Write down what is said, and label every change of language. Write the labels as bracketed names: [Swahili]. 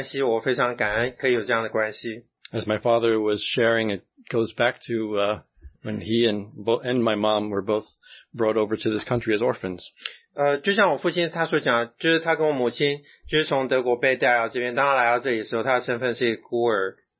[Chinese] 对我家庭跟地区教会之间的关系，我非常感恩可以有这样的关系。 [English] As my father was sharing, it goes back to when he and my mom were both brought over to this country as orphans. [Chinese] 就像我父亲他所讲，就是他跟我母亲，就是从德国被带到这边，当他来到这里的时候，他的身份是一个孤儿。